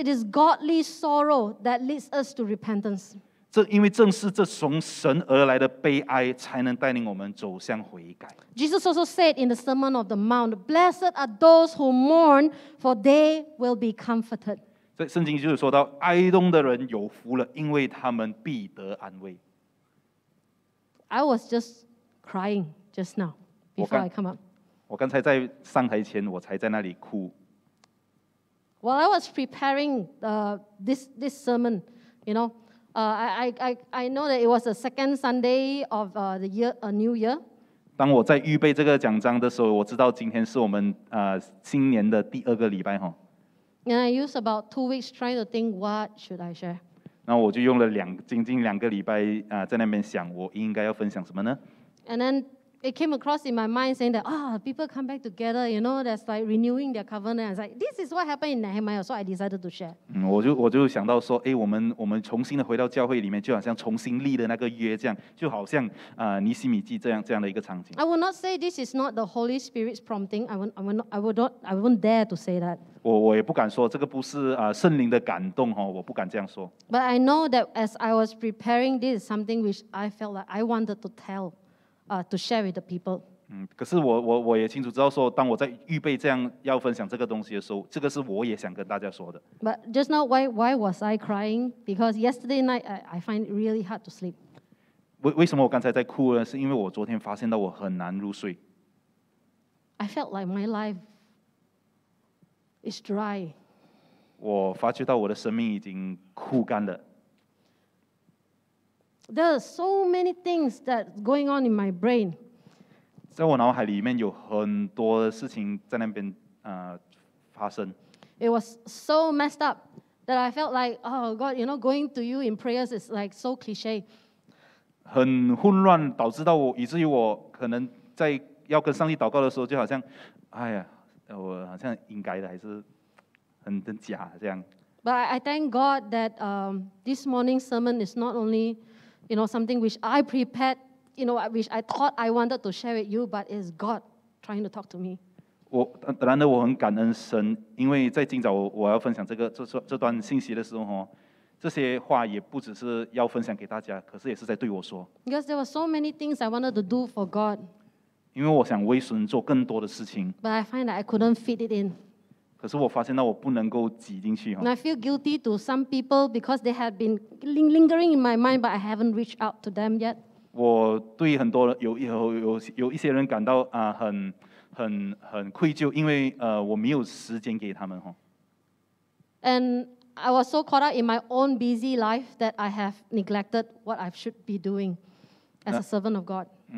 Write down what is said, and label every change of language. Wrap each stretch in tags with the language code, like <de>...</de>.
<en>it is godly sorrow that leads us to repentance.</en> <zh>因为正是这从神而来的悲哀，才能带领我们走向悔改。Jesus</zh> <en>also said in the Sermon of the Mount, blessed are those who mourn, for they will be comforted.</en> <zh>所以圣经就是说到哀痛的人有福了，因为他们必得安慰。</zh> <en>I was just crying just now before I come up.</en> <zh>我刚才在上台前，我才在那里哭。</zh> <en>While I was preparing this sermon, you know, I know that it was the second Sunday of the year, a new year.</en> <zh>当我在预备这个讲章的时候，我知道今天是我们新年的第二个礼拜哈。</zh> <en>And I used about 2 weeks trying to think what should I share.</en> <zh>那我就用了将近两个礼拜在那边想我应该要分享什么呢。</zh> <en>And then it came across in my mind saying that people come back together, you know, that's like renewing their covenant. It's like this is what happened in Nehemiah, so I decided to share.</en> <zh>我就想到说，我们重新的回到教会里面，就好像重新立的那个约这样，就好像尼西米记这样的一个场景。</zh> <en>I will not say this is not the Holy Spirit's prompting. I won't dare to say that.</en> <zh>我也不敢说这个不是圣灵的感动哈，我不敢这样说。</zh> <en>But I know that as I was preparing, this is something which I felt like I wanted to tell. To share with the people.</en> <zh>可是我也清楚知道说，当我在预备这样要分享这个东西的时候，这个是我也想跟大家说的。</zh> <en>But just now, why was I crying? Because yesterday night I find it really hard to sleep.</en> <zh>为什么我刚才在哭呢？是因为我昨天发现到我很难入睡。</zh> <en>I felt like my life is dry.</en> <zh>我发觉到我的生命已经枯干了。</zh> <en>There are so many things that going on in my brain.</en> <zh>在我脑海里面有很多的事情在那边发生。</zh> <en>It was so messed up that I felt like, oh God, you know, going to you in prayers is like so cliche.</en> <zh>很混乱，导致到我以至于我可能在要跟上帝祷告的时候，就好像，哎呀，我好像应该的，还是很假这样。</zh> <en>But I thank God that this morning's sermon is not only. You know, something which I prepared, you know, which I thought I wanted to share with you, but it's God trying to talk to me.</en> <zh>我很感恩神，因为在今早我要分享这段信息的时候，这些话也不只是要分享给大家，可是也是在对我说。</zh> <en>Because there were so many things I wanted to do for God.</en> <zh>因为我想为神做更多的事情。</zh> <en>But I find that I couldn't fit it in.</en> <zh>可是我发现到我不能够挤进去。</zh> <en>And I feel guilty to some people because they have been lingering in my mind, but I haven't reached out to them yet.</en> <zh>我对很多人有一些人感到很愧疚，因为我没有时间给他们。</zh> <en>And I was so caught up in my own busy life that I have neglected what I should be doing as a servant of God.</en>